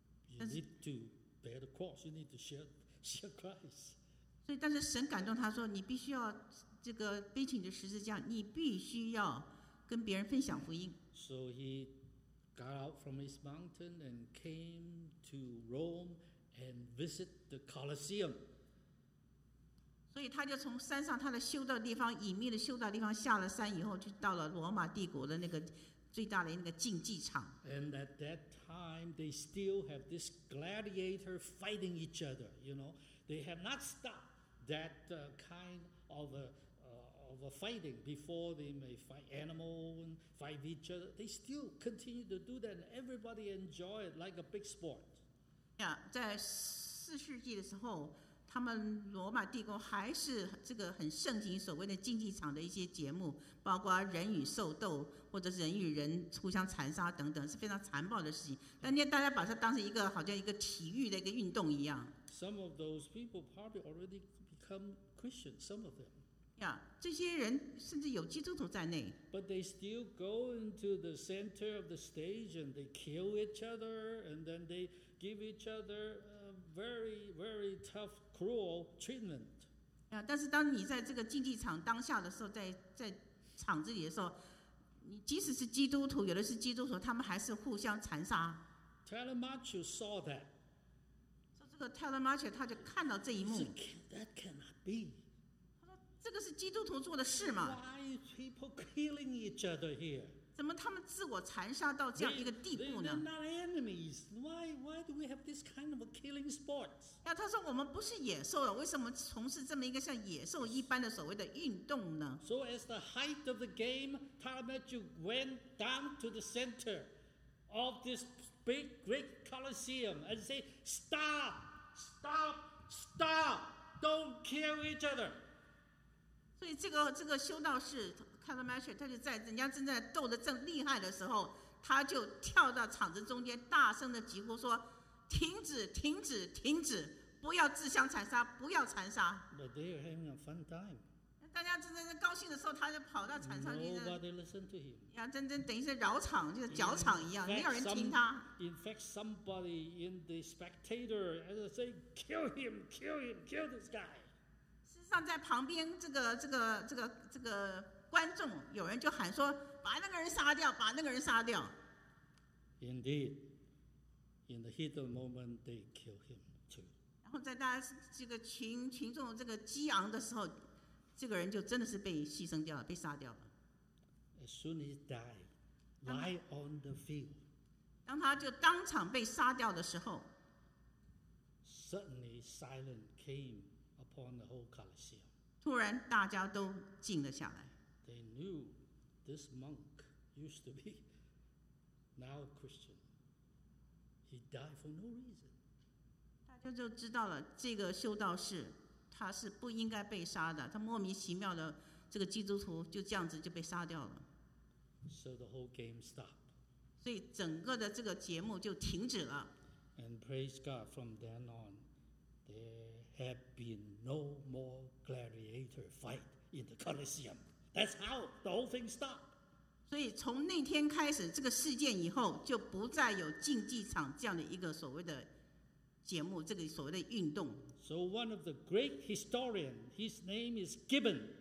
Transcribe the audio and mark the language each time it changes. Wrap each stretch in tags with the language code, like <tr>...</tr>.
<en>You need to bear the cross. You need to share Christ.</en> <zh>所以但是神感动他说你必须要这个背起你的十字架你必须要跟别人分享福音</zh> <en>So he got out from his mountain and came to Rome and visit the Colosseum</en> <zh>所以他就从山上他的修道地方隐秘的修道地方下了山以后就到了罗马帝国的那个最大的那个竞技场</zh> <en>And at that time they still have this gladiator fighting each other you know they have not stopped that kind of a fighting before they may fight animal and fight each other they still continue to do that and everybody enjoy it like a big sport</en> <zh>yeah 在四世纪的时候他们罗马帝国还是这个很盛行所谓的竞技场的一些节目包括人与兽斗或者人与人互相残杀等等是非常残暴的事情但是大家把它当成一个好像一个体育的一个运动一样</zh> <en>Some of those people probably already become Christians, some of them.</en> <zh>Yeah, 这些人甚至有基督徒在内</zh> <en>But they still go into the center of the stage and they kill each other and then they give each other very, very tough, cruel treatment.</en> <zh>Yeah, 但是当你在这个竞技场当下的时候在场子里的时候你即使是基督徒有的是基督徒他们还是互相残杀</zh> <en>Telemachus saw that.</en> <zh>So 这个 Telemachus 他就看到这一幕</zh> <en>That cannot be.</en> <zh>他说这个是基督徒做的事吗</zh> <en>Why are people killing each other here?</en> <zh>怎么他们自我残杀到这样一个地步呢？</zh> <en>They're not enemies. Why do we have this kind of a killing sport?</en> <zh>他说我们不是野兽了，为什么从事这么一个像野兽一般的所谓的运动呢？</zh> <en>So as the height of the game, Talmadge went down to the center of this big, great coliseum and said, "Stop! Stop! Stop! Don't kill each other."</en> <zh>所以这个修道士。 Talmadge 他就在人家正在斗得正厉害的时候，他就跳到场子中间，大声的疾呼说：“停止，停止，停止！不要自相残杀，不要残杀。”</zh> <en>But they are having a fun time.</en> <zh>大家正在高兴的时候，他就跑到场上去。</zh> <en>Nobody listened to him.</en> <zh>真等于是扰场，就是搅场一样，没有人听他。</zh> <en>In fact, somebody in the spectator as I say, "Kill him! Kill him! Kill this guy!"</en> <zh>事实上，在旁边这个。观众有人就喊说：“把那个人杀掉，把那个人杀掉。”</zh> <en>Indeed, in the heat of the moment, they kill him too.</en> <zh>然后在大家这个群众这个激昂的时候，这个人就真的是被牺牲掉了，被杀掉了。</zh> <en>As soon as he died, lie on the field.</en> <zh>当他就当场被杀掉的时候</zh> <en>，Suddenly silence came upon the whole Colosseum.</en> <zh>突然大家都静了下来。</zh> <en>They knew this monk used to be now Christian. He died for no reason.</en> <zh>大家就知道了，这个修道士他是不应该被杀的。他莫名其妙的，这个基督徒就这样子就被杀掉了。</zh> <en>So the whole game stopped.</en> <zh>所以整个的这个节目就停止了。</zh> <en>And praise God, from then on, there have been no more gladiator fight in the Colosseum. That's how the whole thing stopped.</en> <zh>所以从那天开始，这个事件以后就不再有竞技场这样的一个所谓的节目，这个所谓的运动。</zh> <en>So one of the great historian, his name is Gibbon.</en>